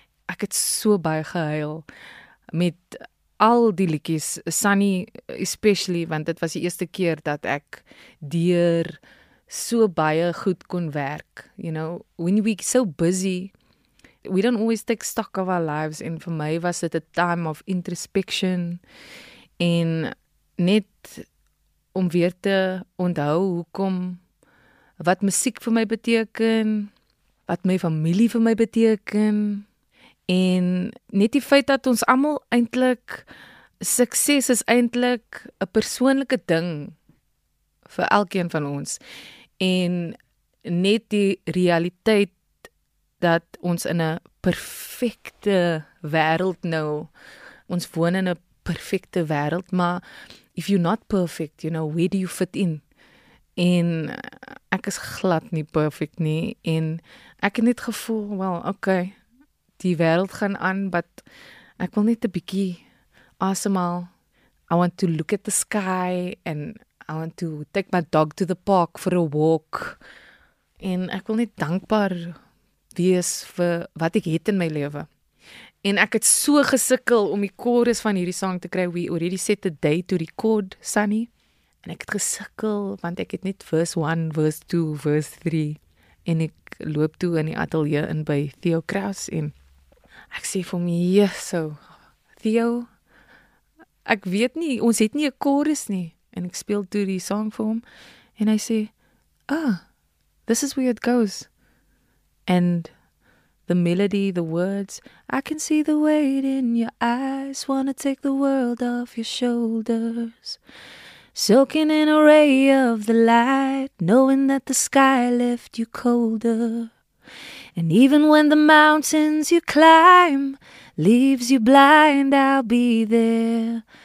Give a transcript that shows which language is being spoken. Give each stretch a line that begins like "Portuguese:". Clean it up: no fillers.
Afrikaans: Ek het so baie gehuil met al die liedjies, Sunny especially, want dit was die eerste keer dat ek deur so baie goed kon werk.
English: You know, when we so busy, we don't always take stock of our lives.
Afrikaans: En vir my was dit
English: a time of introspection.
Afrikaans: En net om weer te onthou hoekom, wat musiek vir my beteken, wat my familie vir my beteken. En net die feit dat ons allemaal eintlik, sukses is eintlik 'n persoonlike ding vir elkeen van ons. En net die realiteit dat ons in 'n perfekte wêreld nou, ons woon in 'n perfekte wêreld, maar
English: if you're not perfect, you know, where do you fit in?
Afrikaans: En ek is glad nie perfect nie, en ek het net gevoel, well, okay, die wêreld gaan aan, but ek wil net 'n bietjie asemhaal.
English: I want to look at the sky and I want to take my dog to the park for a walk.
Afrikaans: En ek wil net dankbaar wees vir wat ek het in my lewe. En ek het so gesukkel om die chorus van hierdie song te kry.
English: We already set a day to record, Sunny.
Afrikaans: En ek het gesukkel, want ek het net verse 1, verse 2, verse 3. En ek loop toe in die atelier in by Theo Kraus. En ek sê vir my, yes, so, Theo, ek weet nie, ons het nie 'n chorus nie. En ek speel toe die song vir hom. En hy sê,
English: ah, this is where it goes. And the melody, the words, I can see the weight in your eyes. Wanna take the world off your shoulders. Soaking in a ray of the light. Knowing that the sky left you colder. And even when the mountains you climb leaves you blind, I'll be there.